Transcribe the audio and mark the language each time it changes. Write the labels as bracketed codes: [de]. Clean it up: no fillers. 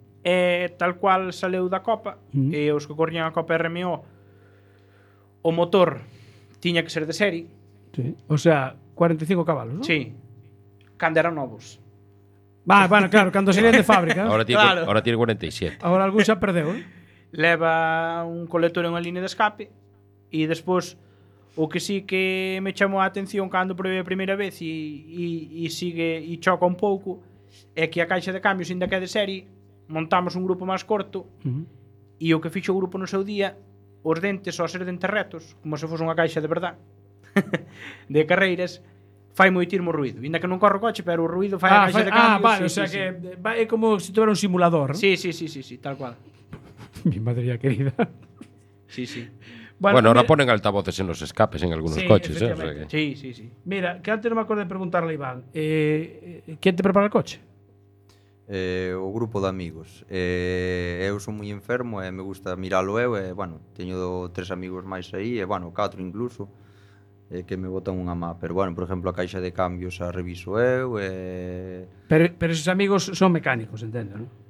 [gl] Tal cual saleu da Copa, e os que corrían a Copa RMO, o motor tiña que ser de serie. [es] Sí. O sea, 45 caballos, ¿no? [gl] Sí. Cando eran novos. Va, bueno, claro, cando serían de fábrica. [es] Ahora tiene 47. [gl] Ahora algún xa perdeu, ¿eh? Leva un colector e unha línea de escape. E despois, o que sí que me chamou a atención cando probei a primeira vez e sigue e choca un pouco, é que a caixa de cambios, ainda que é de serie, montamos un grupo máis corto, e o que fixo o grupo no seu día, os dentes, ao ser dentes retos, como se fose unha caixa de verdad, de carreiras, fai moitirmo ruido. Inda que non corro coche, pero o ruido fai a caixa de cambios. Ah, vale, sí, o sea, sí, que vai, é como se tuvera un simulador. Sí, sí, sí, sí, sí, tal cual. [es] Mi madre ya querida. Sí, sí. Bueno, ahora ponen altavoces en los escapes en algunos, sí, coches. O sea que... Sí, sí, sí. Mira, que antes no me acuerdo de preguntarle a Iván. ¿Quién te prepara el coche? [gl] O grupo de amigos. Eu son moi enfermo e me gusta miralo eu, e bueno, teño tres amigos máis aí e bueno, catro incluso, que me botan unha má, pero bueno, por exemplo, a caixa de cambios a reviso eu. [es] Pero esos amigos son mecánicos, entendo, ¿no?